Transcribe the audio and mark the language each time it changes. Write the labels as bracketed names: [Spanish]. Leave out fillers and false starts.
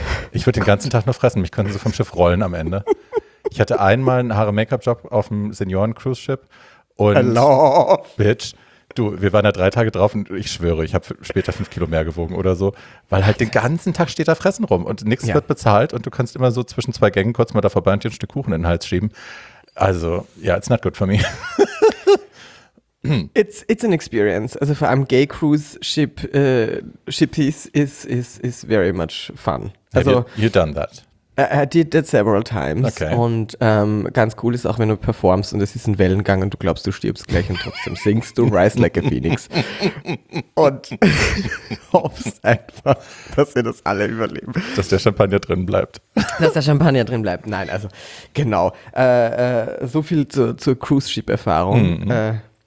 [German] Ich würde den ganzen Tag nur fressen. Mich könnten sie vom Schiff rollen am Ende. Ich hatte einmal einen Haare-Make-up-Job auf dem Senioren-Cruise-Ship. Und [English] hello. [German] Bitch, du, wir waren da 3 Tage drauf und ich schwöre, ich habe später 5 Kilo mehr gewogen oder so. Weil halt den ganzen Tag steht da Fressen rum und nichts wird bezahlt und du kannst immer so zwischen 2 Gängen kurz mal da vorbei und dir ein Stück Kuchen in den Hals schieben. [English] Also, yeah, it's not good for me. It's an experience. [German] Also vor allem [English] Gay Cruise Ship Shippies is very much fun. [German] Also, [English] you done that? I did that several times. Okay. [German] Und ganz cool ist auch, wenn du performst und es ist ein Wellengang und du glaubst, du stirbst gleich und trotzdem singst du Rise Like a Phoenix. Und hoffst einfach, dass wir das alle überleben. Dass der Champagner drin bleibt. Dass der Champagner drin bleibt. Nein, also genau. So viel zur Cruise Ship Erfahrung. Mhm.